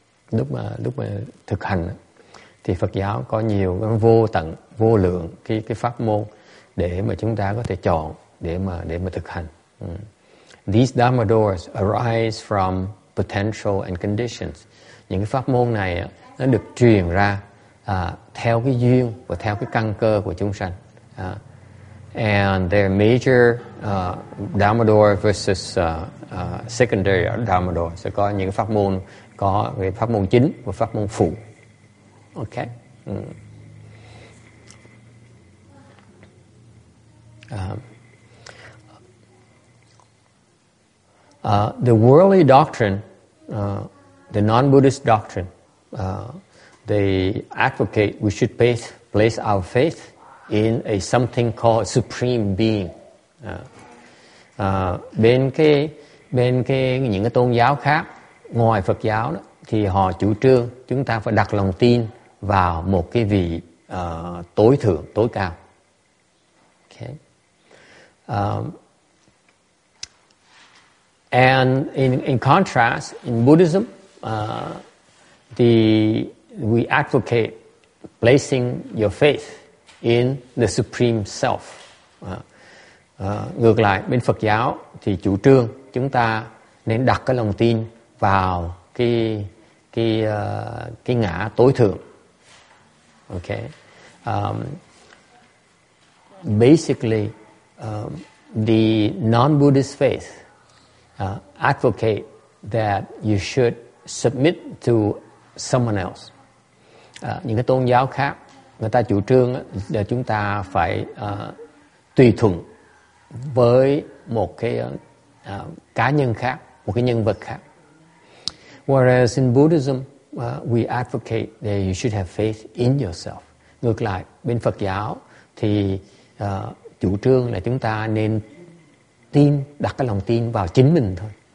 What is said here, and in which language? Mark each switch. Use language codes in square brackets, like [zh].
[vi] Lúc mà thực hành á, thì Phật giáo có nhiều vô tận vô lượng cái pháp môn để mà chúng ta có thể chọn để mà thực hành. [en] These Dharma doors arise from potential and conditions. [vi] Những cái pháp môn này á, nó được truyền ra theo cái duyên và theo cái căn cơ của chúng sanh. [en] And there are major Dharma doors versus secondary Dharma doors. [vi] So có những pháp môn có cái pháp môn chính và pháp môn phụ. [en] Okay. The worldly doctrine, the non-Buddhist doctrine, they advocate we should place our faith in a something called supreme being. [vi] Bên cái những cái tôn giáo khác ngoài Phật giáo đó, thì họ chủ trương chúng ta phải đặt lòng tin vào một cái vị tối thượng, tối cao. [en] Okay. And in contrast, in Buddhism, we advocate placing your faith in the supreme self. [vi] Ngược lại, bên Phật giáo thì chủ trương chúng ta nên đặt cái lòng tin vào cái ngã tối thượng. [en] Okay. Basically, the non-Buddhist faith advocate that you should submit to someone else. [vi] Những cái tôn giáo khác, người ta chủ trương là chúng ta phải tùy thuận với một cái cá nhân khác, một cái nhân vật khác. [en] Whereas in Buddhism, we advocate that you should have faith in yourself. [vi] Ngược lại, bên Phật giáo thì chủ trương là chúng ta nên tin, đặt cái lòng tin vào chính mình thôi.